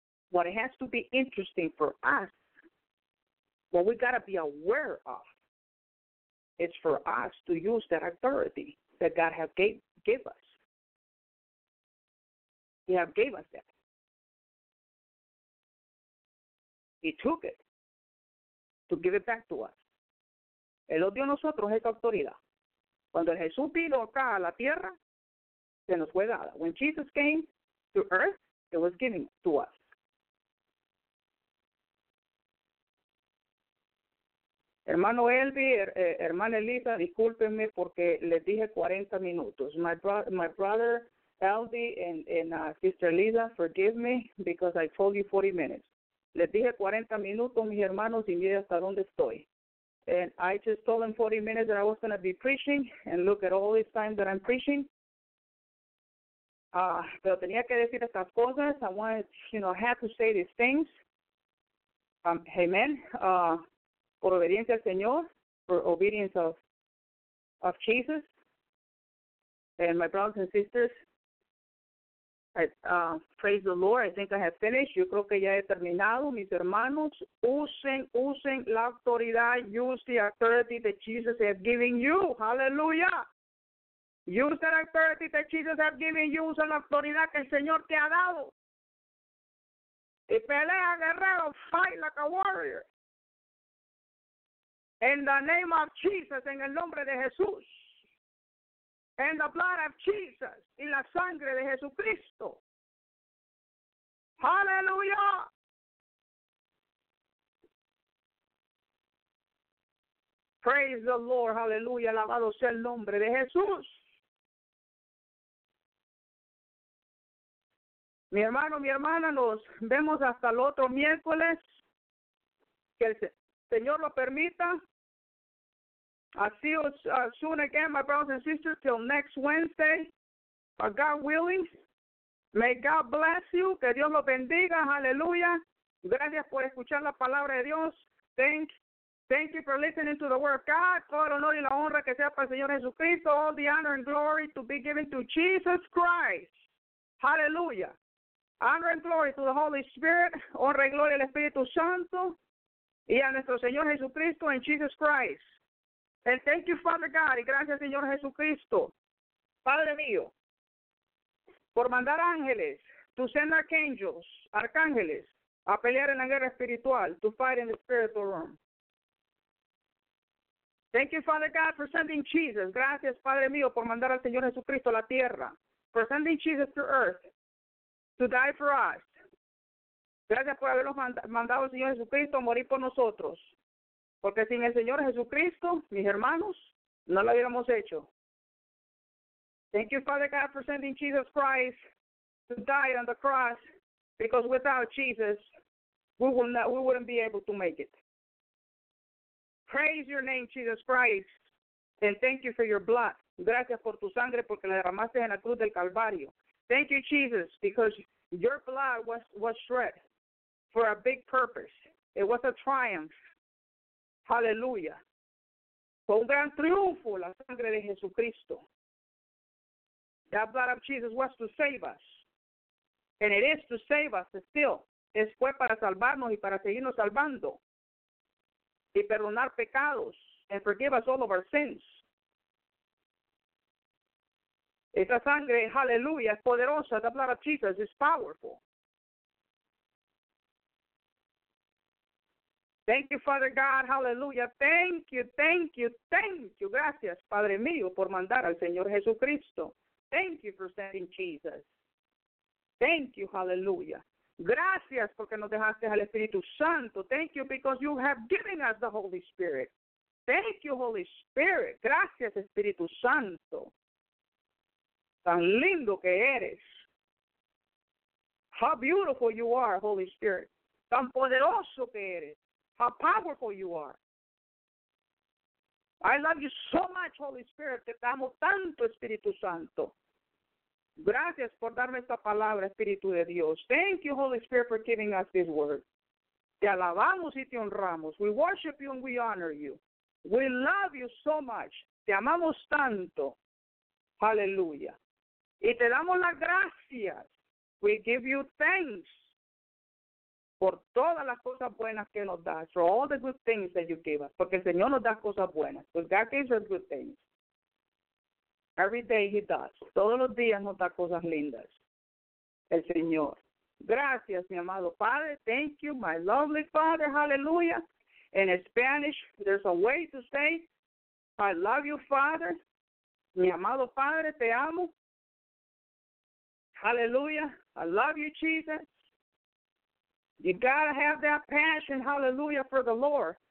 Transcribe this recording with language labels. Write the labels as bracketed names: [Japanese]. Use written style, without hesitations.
[English] What has to be interesting for us, what we got to be aware of, is for us to use that authority that God has gave us. He has gave us that. He took it to give it back to us. [Spanish] Él nos dio a nosotros esa autoridad. Cuando el Jesús vino acá a la tierra, se nos fue dada. [English] When Jesus came to earth, it was given to us. [Spanish] Hermano Elvi, hermana Elisa, discúlpenme porque les dije 40 minutos. [English] My brother Elvi and sister Elisa, forgive me because I told you 40 minutes. [Spanish] Les dije 40 minutos, mis hermanos, y mire hasta dónde estoy. [English] And I just told them 40 minutes that I was going to be preaching, and look at all this time that I'm preaching. [Spanish] Pero tenía que decir estas cosas. [English] I wanted, you know, I had to say these things. Amen. [Spanish] Por obediencia al Señor, [English] for obedience of Jesus. And my brothers and sisters, praise the Lord. I think I have finished. [Spanish] Yo creo que ya he terminado. Mis hermanos, usen la autoridad. [English] Use the authority that Jesus has given you. Hallelujah. Use the authority that Jesus has given you. Use the authority that [Spanish] el Señor te ha dado. Y pelea, guerrero. [English] Fight like a warrior. In the name of Jesus, [Spanish] en el nombre de Jesús. [English] In the blood of Jesus, [Spanish] en la sangre de Jesucristo. [English] Hallelujah. Praise the Lord, hallelujah, [Spanish] alabado sea el nombre de Jesús. Mi hermano, mi hermana, nos vemos hasta el otro miércoles. Que el Señor lo permita. [English] I'll see you soon again, my brothers and sisters, till next Wednesday. But God willing, may God bless you. [Spanish] Que Dios lo bendiga, hallelujah. Gracias por escuchar la palabra de Dios. [English] Thank you for listening to the word of God. [Spanish] Todo el honor y la honra que sea para el Señor Jesucristo. [English] All the honor and glory to be given to Jesus Christ. Hallelujah. Honor and glory to the Holy Spirit. [Spanish] Honra y gloria al Espíritu Santo. Y a nuestro Señor Jesucristo en Jesus Christ. [English] And thank you, Father God. [Spanish] Y gracias, Señor Jesucristo. Padre mío. Por mandar ángeles. [English] To send archangels. [Spanish] Arcángeles. A pelear en la guerra espiritual. [English] To fight in the spiritual realm. Thank you, Father God, for sending Jesus. [Spanish] Gracias, Padre mío, por mandar al Señor Jesucristo a la tierra. [English] For sending Jesus to earth to die for us. [Spanish] Gracias por habernos mandado al Señor Jesucristo a morir por nosotros. Porque sin el Señor Jesucristo, mis hermanos, no lo hubiéramos hecho. [English] Thank you, Father God, for sending Jesus Christ to die on the cross. Because without Jesus, we wouldn't be able to make it. Praise your name, Jesus Christ, and thank you for your blood. [Spanish] Gracias por tu sangre porque la derramaste en la cruz del Calvario. [English] Thank you, Jesus, because your blood was shed for a big purpose. It was a triumph. Hallelujah. [Spanish] Fue un gran triunfo la sangre de Jesucristo. [English] That blood of Jesus was to save us, and it is to save us still. [Spanish] Es fue para salvarnos y para seguirnos salvando. Y perdonar pecados. [English] And forgive us all of our sins. [Spanish] Esta sangre, hallelujah, es poderosa. [English] The blood of Jesus is powerful. Thank you, Father God. Hallelujah. Thank you, thank you, thank you. [Spanish] Gracias, Padre mío, por mandar al Señor Jesucristo. [English] Thank you for sending Jesus. Thank you, hallelujah. [Spanish] Gracias porque nos dejaste al Espíritu Santo. [English] Thank you because you have given us the Holy Spirit. Thank you, Holy Spirit. [Spanish] Gracias, Espíritu Santo. Tan lindo que eres. [English] How beautiful you are, Holy Spirit. [Spanish] Tan poderoso que eres. [English] How powerful you are. I love you so much, Holy Spirit. [Spanish] Te amo tanto, Espíritu Santo. Gracias por darme esta palabra, Espíritu de Dios. [English] Thank you, Holy Spirit, for giving us this word. [Spanish] Te alabamos y te honramos. [English] We worship you and we honor you. We love you so much. [Spanish] Te amamos tanto. [English] Hallelujah. [Spanish] Y te damos las gracias. [English] We give you thanks [Spanish] por todas las cosas buenas que nos das. [English] For all the good things that you give us. [Spanish] Porque el Señor nos da cosas buenas. [English] Because God gives us good things. Every day he does. [Spanish] Todos los días nos da cosas lindas. El Señor. Gracias, mi amado Padre. [English] Thank you, my lovely Father. Hallelujah. In Spanish, there's a way to say, I love you, Father. [Spanish] Mi amado Padre, te amo. Hallelujah. [English] I love you, Jesus. You gotta have that passion, hallelujah, for the Lord.